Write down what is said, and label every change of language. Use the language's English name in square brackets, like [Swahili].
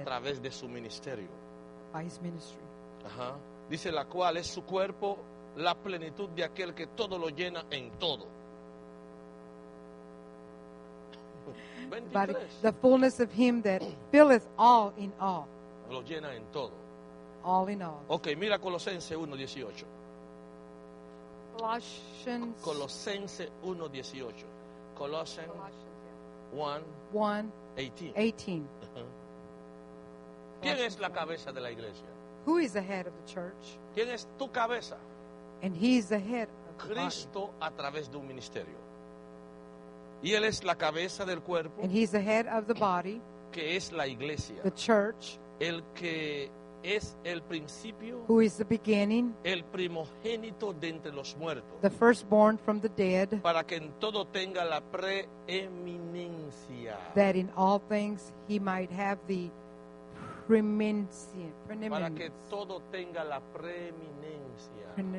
[Spanish] A través de su ministerio. [English] By his ministry. [Spanish] Dice la cual es su cuerpo, la plenitud de aquel que todo lo llena en todo. [English] 23. The fullness of him that filleth all in all. [Spanish] Lo llena en todo. [English] All in all. [Spanish] Okay, mira Colosenses 1:18. [English] Colossians. [Spanish] Colosenses 1:18. Colossians. [English] Colossians 1:18. [Spanish] ¿Quién es la cabeza de la iglesia? [English] Who is the head of the church? [Spanish] ¿Quién es tu cabeza? [English] And he is the head of [Spanish] Cristo [English] the body. [Spanish] A través de un ministerio. Y él es la cabeza del cuerpo. [English] And he's the head of the body. [Spanish] Que es la iglesia. [English] The church. [Spanish] El que es el principio. [English] Who is the beginning. [Spanish] El primogénito de entre los muertos. [English] The firstborn from the dead. [Spanish] Para que en todo tenga la preeminencia. [English] That in all things he might have the preeminence. [Spanish] Para que todo tenga la preeminencia.